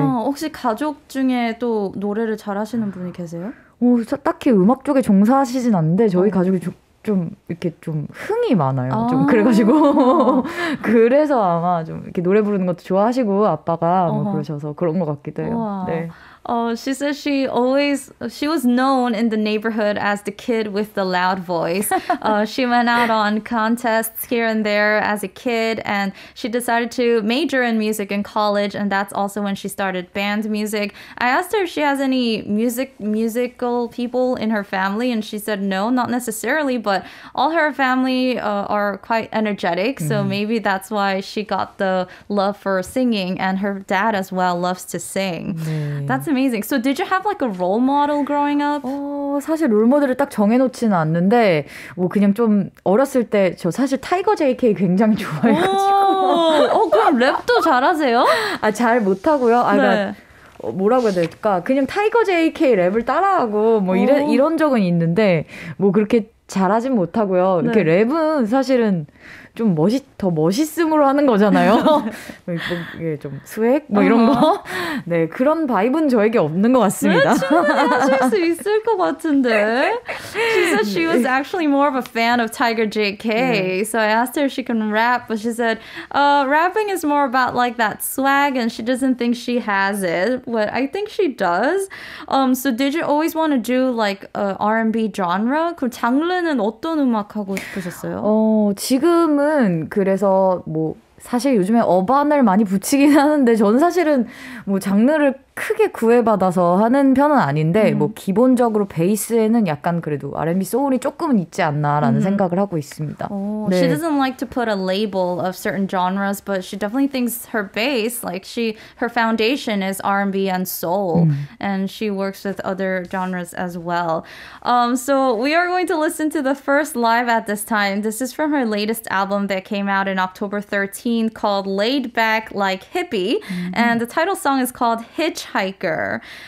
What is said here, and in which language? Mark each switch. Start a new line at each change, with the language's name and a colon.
Korean: 혹시 가족 중에 또 노래를 잘하시는 분이 계세요? 딱히 음악 쪽에 종사하시진 않는데 저희 가족이 좀 이렇게 좀 흥이 많아요. 좀 그래가지고 그래서 아마 좀 이렇게 노래 부르는 것도 좋아하시고 아빠가 뭐 그러셔서 그런 것 같기도 해요. 네.
English: She says she was known in the neighborhood as the kid with the loud voice. She went out on contests here and there as a kid, and she decided to major in music in college, and that's also when she started band music. I asked her if she has any musical people in her family, and she said no, not necessarily, but all her family are quite energetic, so maybe that's why she got the love for singing, and her dad as well loves to sing. Mm. That's amazing. So did you have like a role model growing up?
Korean: 사실 롤모델을 딱 정해놓지는 않는데 뭐 그냥 좀 어렸을 때 저 사실 타이거 JK 굉장히 좋아해가지고 그럼 랩도 잘하세요? 아, 잘 못하고요. 아, 그러니까 네. 뭐라고 해야 될까 그냥 타이거 JK 랩을 따라하고 뭐 이런 적은 있는데 뭐 그렇게 잘하진 못하고요. 네. 이렇게 랩은 사실은 좀 더 멋있음으로 하는 거잖아요. 이게 좀 스웩 뭐 이런 거. 네, 그런 바이브는 저에게 없는 것 같습니다. 네, 충분히 하실 수 있을 것 같은데. She said she was actually more of a fan of Tiger JK. So I asked her if she can rap, but she said rapping is more about like that swag and she doesn't think she has it. But I think she does. So did you always want to do like R&B genre? 그럼 장르는 어떤 음악 하고 싶으셨어요? 지금은 그래서 뭐 사실 요즘에 어반을 많이 붙이긴 하는데 저는 사실은 뭐 장르를 크게 구애받아서 하는 편은 아닌데 뭐 기본적으로 베이스에는 약간 그래도 R&B 소울이 조금은 있지 않나라는 생각을 하고 있습니다.
English: Oh,
Korean: 네.
English: She doesn't like to put a label of certain genres, but she definitely thinks her base, like she, her foundation is R&B and soul, and she works with other genres as well. So we are going to listen to the first live at this time. This is from her latest album that came out in October 13th called Laid Back Like Hippie, and the title song is called Hitchhiker.